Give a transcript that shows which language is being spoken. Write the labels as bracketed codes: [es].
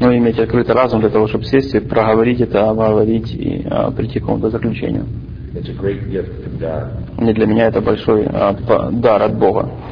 [ru] Ну, иметь открытый разум для того, чтобы сесть и проговорить это, обговорить и прийти к какому-то заключению. [en] It's a great gift from God. [ru] И для меня это большой дар от Бога.